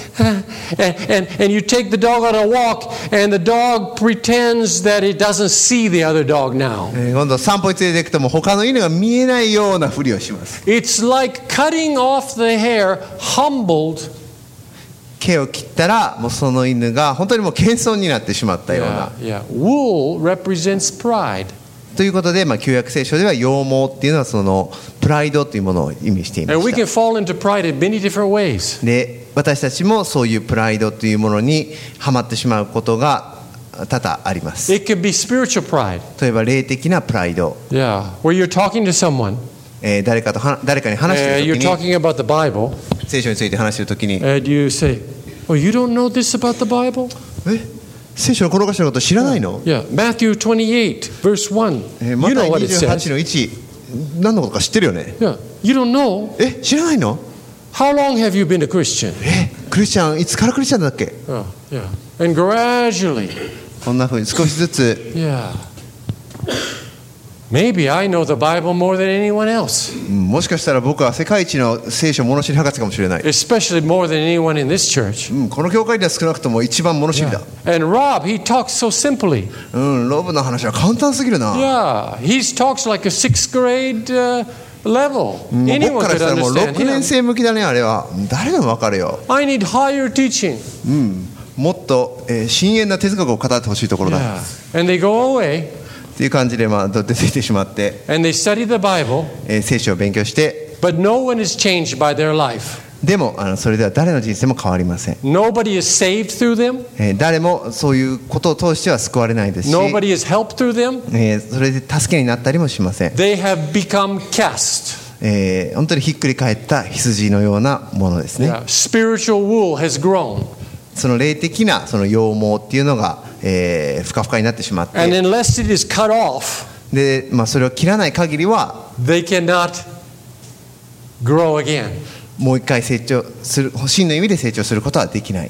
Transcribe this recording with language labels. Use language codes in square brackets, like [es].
[en] And you take the dog on a walk, and the dog pretends that it doesn't see the other dog now. [ja] 今度散歩に連れて行くとも他の犬が見えないようなふりをします。 [en] It's like cutting off the hair, humbled. [ja] 毛を切ったらもうその犬が本当にもう謙遜になってしまったような。 [en] Yeah. yeah. Wool represents pride. [ja] ということで、まあ、旧約聖書では羊毛っていうのはそのプライドというものを意味していました。 [en] We can fall into pride in many different ways. [ja] で、私たちもそういうプライドというものにはまってしまうことが多々あります。 [en] It can be spiritual pride. [ja] 例えば霊的なプライド。 [en] Yeah. Where you're talking to someone. [ja] 誰かに話しているときに。 [en] You're talking about the Bible. [ja] 聖書について話しているときに。 [en] And you say, "Oh, you don't know this about the Bible?" [ja] え? 聖書の転がしのこと知らないの [en] Matthew 28 verse 1 You know what it says [ja] 何のことか知ってるよね [en] You don't know [ja] 知らないの [en] How long have you been a Christian? [ja] クリスチャンいつからクリスチャンだっけ [en] And gradually [ja] こんなふうに少しずつ [en] Maybe I know the Bible more than anyone else [ja] もしかしたら僕は世界一の聖書物知り博士かもしれない [en] Especially more than anyone in this church [ja] この教会では少なくとも一番物知りだ [en] And Rob, he talks so simply [ja] ロブの話は簡単すぎるな [en] Yeah, he talks like a sixth grade level anyone [ja] 僕からしたらもう6年生向きだねあれは誰でもわかるよ [en] I need higher teaching [ja] もっと、深遠な哲学を語ってほしいところだ、 [en] yeah. And they go away [ja] っていう感じで、まあ、出てきてしまって [en] And they study the Bible, [ja] 聖書を勉強して [en] But no one is changed by their life. [ja] でもあのそれでは誰の人生も変わりません [en] Nobody is saved through them. [ja] 誰もそういうことを通しては救われないですし [en] Nobody is helped through them. [ja] それで助けになったりもしません [en] They have become cast. [ja] 本当にひっくり返った羊のようなものですね、 [en] yeah. Spiritual wool has grown. [ja] その霊的なその羊毛っていうのがふかふかになってしまって [en] And unless it is cut off, [ja] で、まあ、それを切らない限りは [en] they cannot grow again. [ja] もう一回成長する真の意味で成長することはできない